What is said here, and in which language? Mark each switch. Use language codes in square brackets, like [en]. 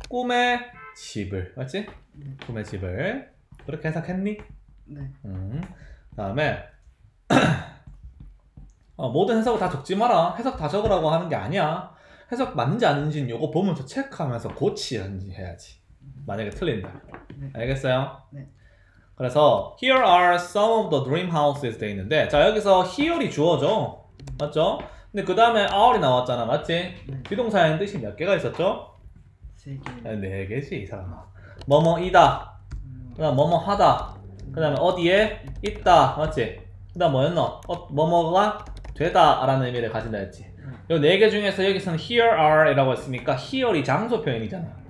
[ko] 꿈의 집을. 맞지? 네. 꿈의 집을. 그렇게 해석했니? 네. 다음에 모든 해석을 다 적지 마라. 해석 다 적으라고 하는 게 아니야. 해석 맞는지 아닌지는 요거 보면서 체크하면서 고치든지 해야지. 만약에 틀린다. 네. 알겠어요? 네. 그래서 [en] Here are some of the dream houses [ko] 돼 있는데 자 여기서 [en] here이 주어죠? [ko] 맞죠? 근데 그 다음에 are이 나왔잖아. 맞지? 비동사의 네. 뜻이 몇 개가 있었죠? 3개. 네 개지 이 사람아. 뭐뭐이다. 그 다음 뭐뭐하다. 그 다음에 어디에 있다. 맞지? 그 다음 뭐였노? 뭐뭐가 되다 라는 의미를 가진다 했지. 요 네 개 중에서 여기서는 here are 이라고 했으니까 here이 장소 표현이잖아.